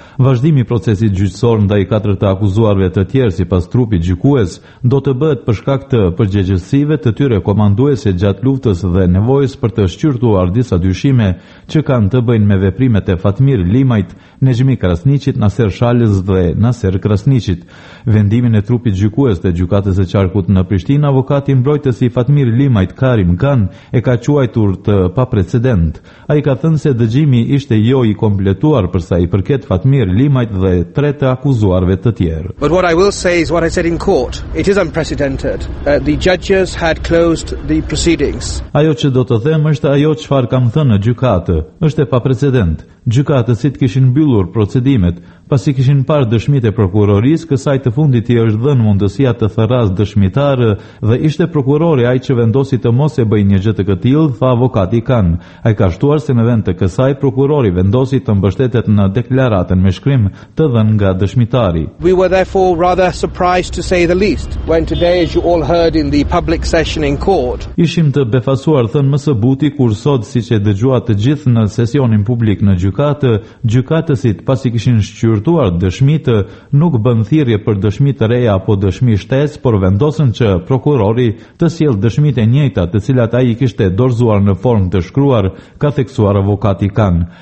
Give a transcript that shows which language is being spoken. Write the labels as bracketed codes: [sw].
[sq] Vazhdimi i procesit gjyqësor ndaj 4 të akuzuarve të tjerë sipas trupit gjykues do të bëhet për shkak të përgjegjësive të tyre komanduese gjatë luftës dhe nevojës për të shqyrtuar disa dyshime që kanë të bëjnë me veprimet e Fatmir Limajt, Nezhmi Krasniqit, Naser Shalës dhe Naser Krasniqit. Vendimin e trupit gjykues të gjykatës së qarkut në Prishtinë, avokati mbrojtës i Fatmir Limajt Karim Gan e ka quajtur të paprecedent. Ai ka thënë se dëgjimi ishte jo i kompletuar për sa i përket Fatmir Limajt dhe 3 të akuzuarve të tjerë. [en] But what I will say is what I said in court. It is unprecedented. The judges had closed the proceedings. [sq] Ajo që do të them është ajo çfarë kam thënë në gjykatë. Është e paprecedent. Gjykatësit kishin mbyllur procedimet pasi kishin parë dëshmitë e prokurorisë, kësaj të fundit i është dhënë mundësia të thërras dëshmitarë dhe ishte prokurori ai që vendosi të mos e bëjë një gjë të tillë, tha avokati Kan. Ai ka shtuar se në vend të kësaj prokurori vendosi të mbështetet në deklaratën me shkrim të dhënë nga dëshmitari. [en] We were therefore rather surprised to say the least when today as you all heard in the public session in court. [sq] Ishim të befasuar thënë më së buti kur sot siç e dëgjua të gjithë në sesionin publik në gjykatë, gjykatësit pasi kishin qyrtuar dëshmitë nuk bën thirrje për dëshmitë reja apo dëshmi shtesë, por vendosën që prokurori të sjellë dëshmitë e njëjta, të cilat ai kishte dorëzuar në formë të shkruar, ka theksuar avokati Kan.